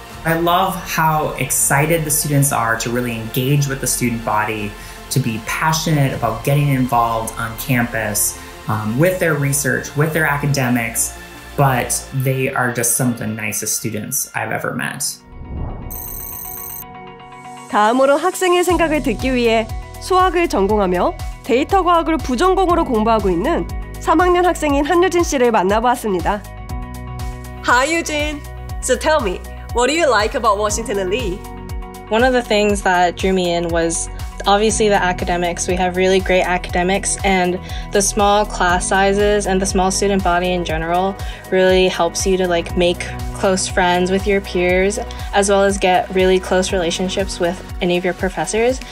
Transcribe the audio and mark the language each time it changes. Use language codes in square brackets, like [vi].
[en] I love how excited the students are to really engage with the student body, to be passionate about getting involved on campus with their research, with their academics, but they are just some of the nicest students I've ever met. [ko] 다음으로 학생의 생각을 듣기 위해 수학을 전공하며 데이터 과학을 부전공으로 공부하고 있는 3학년 학생인 한유진 씨를 만나보았습니다. [en] Hi, Eugene. So tell me, what do you like about Washington and Lee? One of the things that drew me in was obviously the academics. We have really great academics, and the small class sizes and the small student body in general really helps you to like make close friends with your peers, as well as get really close relationships with any of your professors.